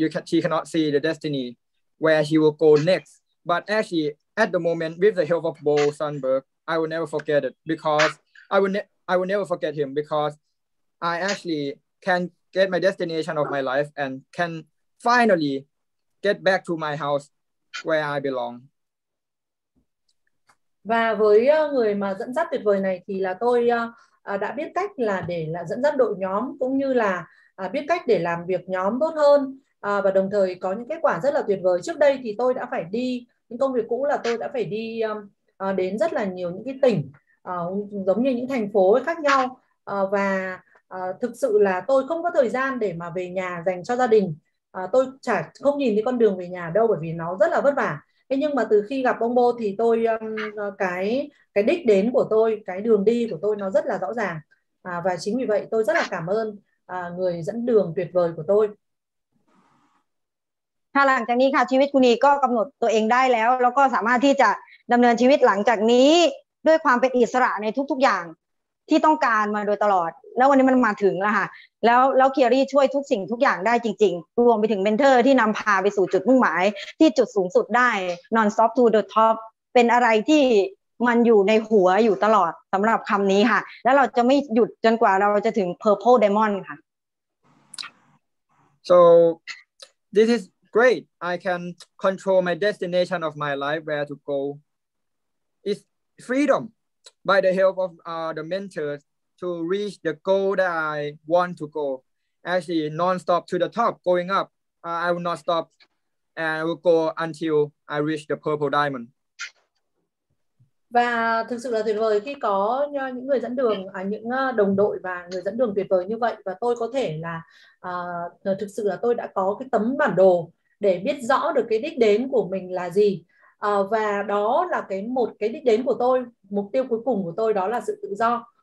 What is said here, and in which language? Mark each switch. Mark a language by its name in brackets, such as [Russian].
[English] She cannot see the destiny where she will go next. But actually, at the moment, with the help of Bo Sandberg,I will never forget it because I will never forget him because I actually can get my destination of my life and can finally get back to my house where I belong. [Vietnamese] Và với người mà dẫn dắt tuyệt vời này thì là tôi đã biết cách là để là dẫn dắt đội nhóm cũng như là biết cách để làm việc nhóm tốt hơn và đồng thời có những kết quả rất là tuyệt vời. Trước đây thì tôi đã phải đi những công việc cũ là tôi đã phải đi đến rất là nhiều những cái tỉnh giống như những thành phố khác nhau và thực sự là tôi không có thời gian để mà về nhà dành cho gia đình tôi chả không nhìn thấy con đường về nhà đâu bởi vì nó rất là vất vả thế nhưng mà từ khi gặp ông Bo thì tôi cái đích đến của tôi cái đường đi của tôi nó rất là rõ ràng và chính vì vậy tôi rất là cảm ơn người dẫn đường tuyệt vời của tôi [Thai] หลังจากนี้ค่ะชีวิตคุณนีก็กำหนดตัวเองได้แล้วแล้วก็สามารถที่จะดำเนินชีวิตหลังจากนี้ด้วยความเป็นอิสระในทุกๆอย่างที่ต้องการมาโดยตลอดแล้ววันนี้มันมาถึงแล้วค่ะแล้วเคียรี่ช่วยทุกสิ่งทุกอย่างได้จริงๆรวมไปถึงเมนเทอร์ที่นำพาไปสู่จุดมุ่งหมายที่จุดสูงสุดได้ [English] non stop to the top [Thai] เป็นอะไรที่มันอยู่ในหัวอยู่ตลอดสำหรับคำนี้ค่ะแล้วเราจะไม่หยุดจนกว่าเราจะถึง purple diamond ค่ะ [English] so this is great I can control my destination of my life where to goIt's freedom by the help of the mentors to reach the goal that I want to go. Actually, non-stop to the top, going up. I will not stop and I will go until I reach the purple diamond. [Vietnamese] Và thực sự là tuyệt vời khi có những người dẫn đường, những đồng đội và người dẫn đường tuyệt vời như vậy. Và tôi có thể là, thực sự là tôi đã có cái tấm bản đồ để biết rõ được cái đích đến của mình là gì. Và đó là cái một cái đích đến của tôi, mục tiêu cuối cùng của tôi đó là sự tự do.